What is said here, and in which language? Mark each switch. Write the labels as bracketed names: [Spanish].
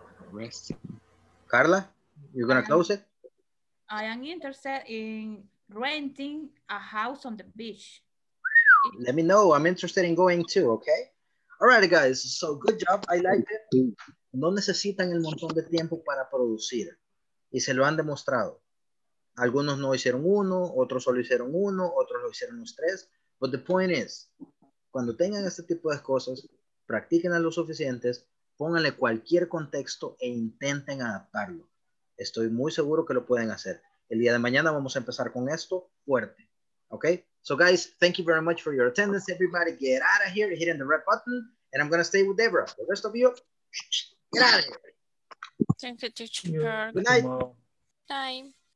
[English] Resting. Carla, you're gonna close it? I am interested in renting a house on the beach. Let me know, I'm interested in going too, okay? All right, guys, so good job, I liked it. [Spanish] No necesitan el montón de tiempo para producir. Y se lo han demostrado. Algunos no hicieron uno, otros solo hicieron uno, otros lo hicieron los tres. [English] But the point is, [Spanish] cuando tengan este tipo de cosas, practiquen a lo suficiente, pónganle cualquier contexto e intenten adaptarlo. Estoy muy seguro que lo pueden hacer. El día de mañana vamos a empezar con esto fuerte. [English] Okay? So guys, thank you very much for your attendance. Everybody get out of here, hitting the red button, and I'm going to stay with Deborah. The rest of you, get out of here. Thank you, teacher. Good night. Time.